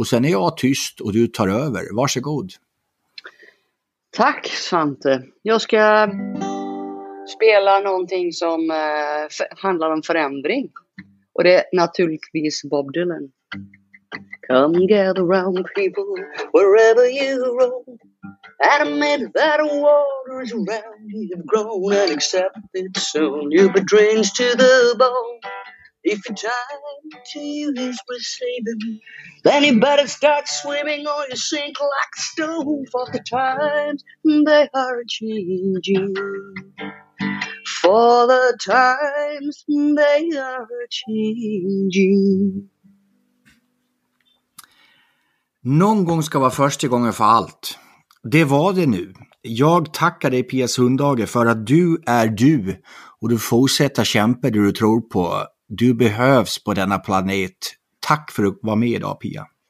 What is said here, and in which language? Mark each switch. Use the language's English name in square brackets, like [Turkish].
[Swedish] Och sen är jag tyst och du tar över. Varsågod. Tack Svante. Jag ska spela någonting som handlar om förändring. Och det är naturligtvis Bob Dylan. [English] Come gather round people wherever you roam. Admit that waters around you have grown and accept it soon. You'll be drained to the bone. If your time to you is receiving, then you better start swimming or you sink like a stone. For the times, they are changing. For the times, they are changing. [Swedish] Någon gång ska vara första gången för allt. Det var det nu. Jag tackar dig Pia Sundhage för att du är du och du fortsätter kämpa det du tror på. Du behövs på denna planet. Tack för att du var med idag Pia.